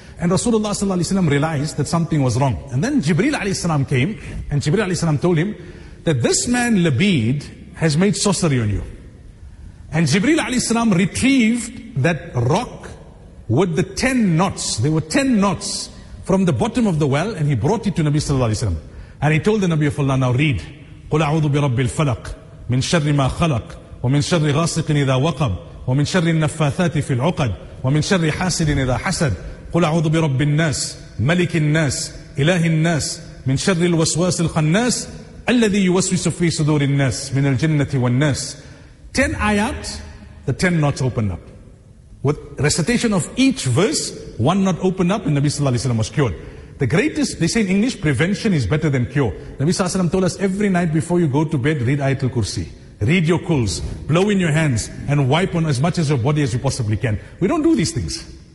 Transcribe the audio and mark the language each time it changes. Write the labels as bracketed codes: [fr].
[en] And Rasulullah sallallahu alaihi wasallam realized that something was wrong. And then Jibreel alayhi salam came, and Jibreel alayhi salam told him that this man Labid has made sorcery on you. And Jibreel alayhi salam retrieved that rock with the 10 knots. There were 10 knots from the bottom of the well, and he brought it to Nabi sallallahu alayhi wasallam. And he told the Nabi of Allah, now read, [ar] قُلْ أَعُوذُ بِرَبِّ الْفَلَقِ مِنْ شَرِّ مَا خَلَقَ وَمِنْ شَرِّ غَاسِقٍ إِذَا وَقَبَ وَمِنْ شَرِّ النَّفَّاثَاتِ فِي الْعُقَدِ وَمِنْ شَرِّ حَاسِدٍ إِذَا حَسَدَ. قُلْ أَعُوذُ بِرَبِّ النَّاسِ مَلِكِ النَّاسِ إِلَهِ النَّاسِ مِنْ شَرِّ الْوَسْوَاسِ الْخَنَّاسِ الَّذِي يُوَسْوِسُ فِي صُدُورِ النَّاسِ مِنَ الْجِنَّةِ وَالنَّاسِ. [en] 10 ayat, the 10 knots open up. With recitation of each verse, one knot opened up and Nabi Sallallahu Alaihi Wasallam was cured. The greatest, they say in English, prevention is better than cure. Nabi Sallallahu Alaihi Wasallam told us every night before you go to bed, read Ayatul Kursi. Read your quls, blow in your hands and wipe on as much as your body as you possibly can. We don't do these things.